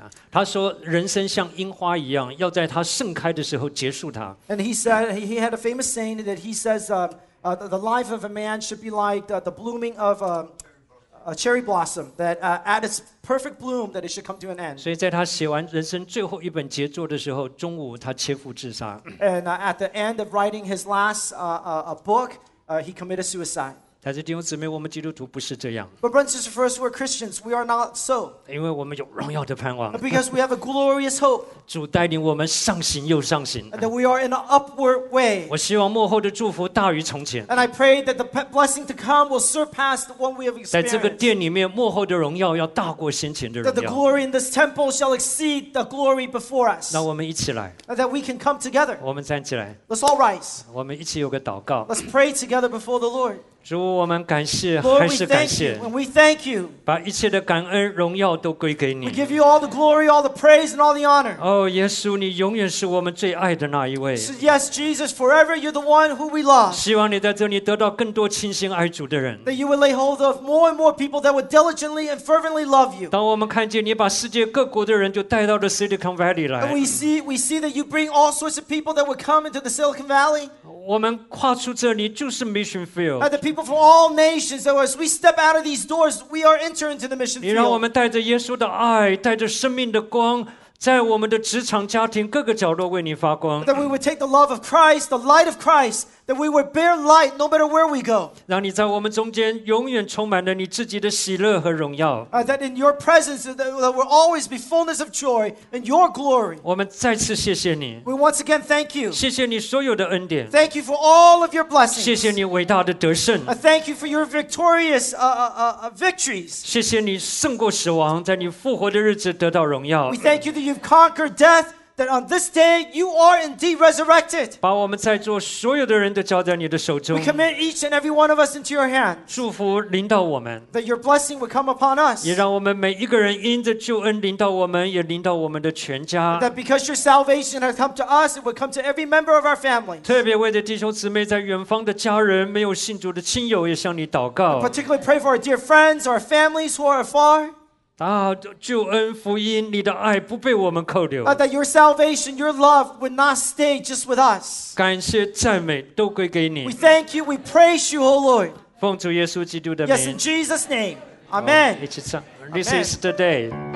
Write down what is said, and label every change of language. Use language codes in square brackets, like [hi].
[zh] 他说人生像樱花一样要在它盛开的时候结束它 [en] And he said he had a famous saying that he says the life of a man should be like the blooming of a cherry blossom that at its perfect bloom that it should come to an end [zh] 所以在他写完人生最后一本杰作的时候中午他切腹自杀 [en] And at the end of writing his last book he committed suicide [zh] 但是弟兄姊妹，我们基督徒不是这样。 [en] But brothers and sisters, we're Christians. We are not so. [zh] 因为我们有荣耀的盼望。 [en] Because we have a glorious hope. [zh] 主带领我们上行又上行。 [en] And that we are in an upward way. [zh] 我希望幕后的祝福大于从前。 [en] And I pray that the blessing to come will surpass the one we have experienced. [zh] 在这个殿里面，幕后的荣耀要大过先前的荣耀。 [en] That the glory in this temple shall exceed the glory before us. [zh] 那我们一起来。 [en] And that we can come together. [zh] 我们站起来。 [en] Let's all rise. [zh] 我们一起有个祷告。 [en] Let's pray together before the Lord. [zh] 主我们感谢还是感谢 [en] Lord, we thank you. [zh] 把一切的感恩荣耀都归给你 [en] We give you all the glory, all the praise and all the honor [zh] Oh, 耶稣你永远是我们最爱的那一位 [en] so, Yes, Jesus, forever you're the one who we love [zh] 希望你在这里得到更多倾心爱主的人 [en] That you would lay hold of more and more people that would diligently and fervently love you [zh] 当我们看见你把世界各国的人就带到了 Silicon Valley 来 [en] And we see that you bring all sorts of people that would come into the Silicon Valley [zh] 我们跨出这里就是 [en] mission field And the peoplefrom all nations, so as we step out of these doors, we are entering into the mission field. [zh] 你让我们带着耶稣的爱，带着生命的光，在我们的职场、家庭各个角落为你发光。 [en] That we would take the love of Christ, the light of Christ, that we would bear light no matter where we go. [zh] 让你在我们中间永远充满了你自己的喜乐和荣耀。 [en] That in your presence, that will always be fullness of joy and your glory. [zh] 我们再次谢谢你。 [en] We once again thank you. [zh] 谢谢你所有的恩典。 [en] Thank you for all of your blessings. [zh] 谢谢你伟大的得胜。 [en] Thank you for your victorious victories. [zh] 谢谢你胜过死亡，在你复活的日子得到荣耀。 [en] We thank you that you've conquered death. That on this day you are indeed resurrected. [zh] 把我们在座所有的人都交在你的手中。 [en] We commit each and every one of us into your hand. [zh] 祝福临到我们。 [en] That your blessing would come upon us. [zh] 也让我们每一个人因着救恩临到我们，也临到我们的全家。 [en] That because your salvation has come to us, it would come to every member of our family. [zh] 特别为着弟兄姊妹在远方的家人，没有信主的亲友，也向你祷告。 [en] Particularly pray for our dear friends, our families who are afar. [zh] 救恩福音你的爱不被我们扣留 [en] that your salvation, your love would not stay just with us [zh] 感谢赞美都归给你 [en] We thank you, we praise you, O Lord [zh] 奉主耶稣基督的名 [en] Yes, in Jesus' name, Amen [zh] 一起唱 [en] This is the day